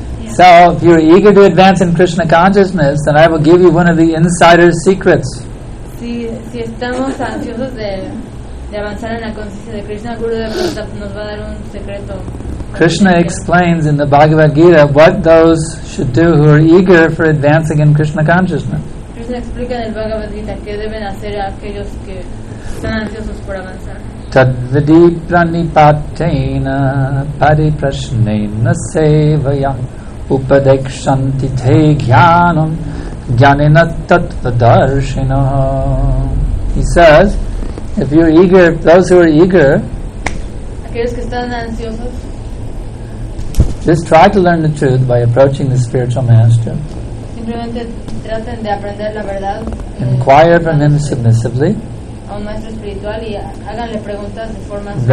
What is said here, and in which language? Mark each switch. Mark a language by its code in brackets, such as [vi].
[en] So if you're eager to advance in Krishna consciousness, then I will give you one of the insider secrets. [es] Si estamos ansiosos de avanzar en la conciencia de Krishna, Guru Dev nos va a dar un secreto. [en] Krishna explains in the Bhagavad Gita what those should do who are eager for advancing in Krishna consciousness. [es] Krishna explica en el Bhagavad Gita qué deben hacer aquellos que están ansiosos por avanzar. [sa] Tadvidi pranipatena pariprasnena sevaya upadekshanti te jnanam jnanena tatvadarshina. [en] He says, if you're eager, those who are eager, [es] aquellos que están ansiosos, [en] just try to learn the truth by approaching the spiritual master. [es] simplemente traten de aprender la verdad. [en] Inquire from him submissively. [es] A un maestro espiritual y háganle preguntas de forma sumisa.